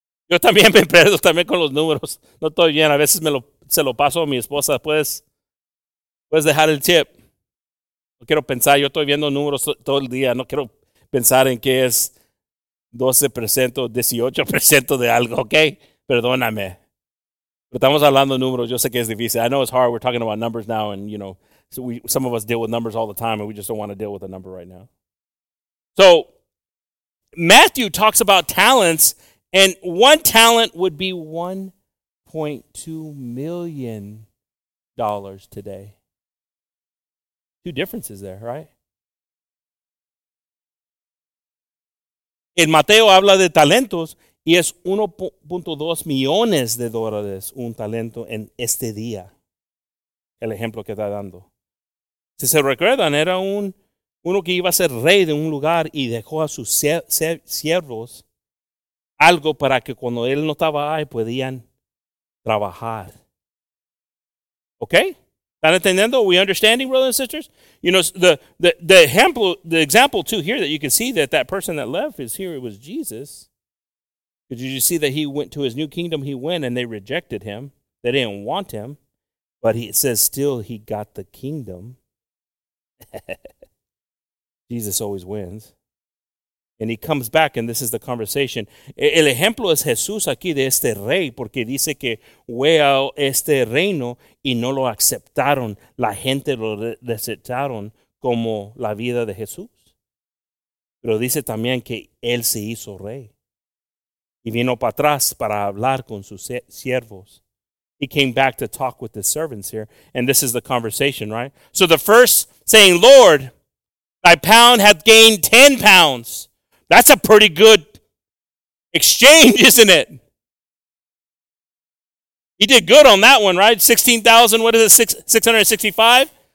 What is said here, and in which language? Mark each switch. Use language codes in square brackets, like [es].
[es] Yo también me perdo también con los números. No estoy bien. A veces se lo paso a mi esposa. Puedes dejar el tip. No quiero pensar. Yo estoy viendo números todo el día. No quiero pensar en qué es 12%, 18% de algo. Okay? Perdóname. Pero estamos hablando de números. Yo sé que es difícil. [en] I know it's hard. We're talking about numbers now and, you know, so some of us deal with numbers all the time, and we just don't want to deal with a number right now. So Matthew talks about talents, and one talent would be $1.2 million today. Two differences there, right? [es] En Mateo habla de talentos, y es 1.2 millones de dólares un talento en este día. El ejemplo que está dando. Si se recuerdan, era uno que iba a ser rey de un lugar y dejó a sus siervos algo para que cuando él no estaba ahí, podían trabajar. [en] Okay? [es] ¿Están entendiendo? [en] We understanding, brothers and sisters? You know, the example too here that you can see that person that left is here, it was Jesus. Did you see that he went to his new kingdom? He went and they rejected him. They didn't want him. But it says still he got the kingdom. Jesus always wins. And he comes back, and this is the conversation. [es] El ejemplo es Jesús aquí de este rey, porque dice que fue a este reino y no lo aceptaron. La gente lo desecharon como la vida de Jesús. Pero dice también que él se hizo rey. Y vino para atrás para hablar con sus siervos. [en] He came back to talk with the servants here. And this is the conversation, right? So the first saying, Lord, thy pound hath gained 10 pounds. That's a pretty good exchange, isn't it? He did good on that one, right? 16,000, what is it, 665?